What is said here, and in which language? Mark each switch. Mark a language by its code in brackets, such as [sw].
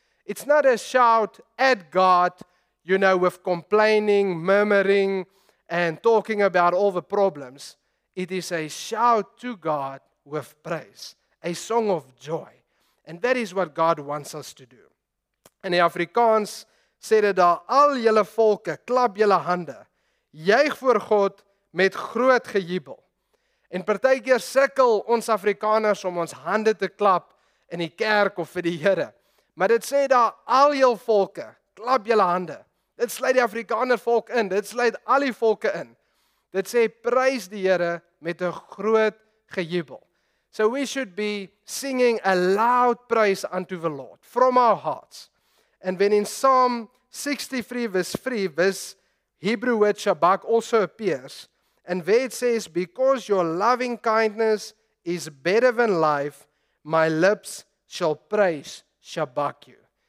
[en] It's not a shout at God, you know, with complaining, murmuring, and talking about all the problems. It is a shout to God with praise, a song of joy. And that is what God wants us to do. And the [af] Afrikaans sê dit daar, "Al julle volke, klap julle hande, juig voor God met groot gejubel." En partykeer sukkel ons Afrikaners om ons hande te klap in die kerk of vir die Here. Maar dit sê daar, "Al jul volke, klap julle hande." Dit sluit die Afrikaner volk in, dit sluit al die volke in. Dit sê, prys die Here met 'n groot gejubel. [en] So we should be singing a loud praise unto the Lord from our hearts. And when in Psalm 63 verse 3, this Hebrew word Shabbat also appears, and where it says, "Because your loving kindness is better than life, my lips shall praise Shabbat you."